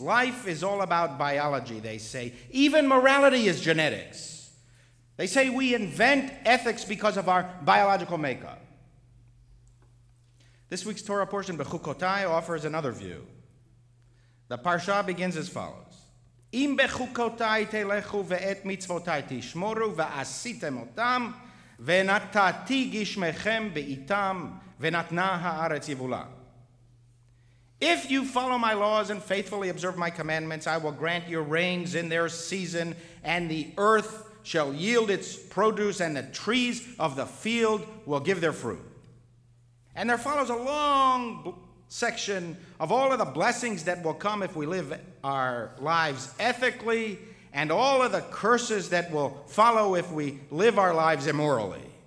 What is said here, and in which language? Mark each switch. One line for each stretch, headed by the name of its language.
English: Life is all about biology, they say. Even morality is genetics. They say we invent ethics because of our biological makeup. This week's Torah portion, Bechukotai, offers another view. The parsha begins as follows.
Hebrew: אם בחוקותיי תלכו ואת מצוותיי תשמורו ועשיתם אותם ונתתי גשמכם בעיתם ונתנה הארץ יבולה.
English: If you follow my laws and faithfully observe my commandments, I will grant your rains in their season, and the earth shall yield its produce, and the trees of the field will give their fruit. And there follows a long section of all of the blessings that will come if we live our lives ethically, and all of the curses that will follow if we live our lives immorally.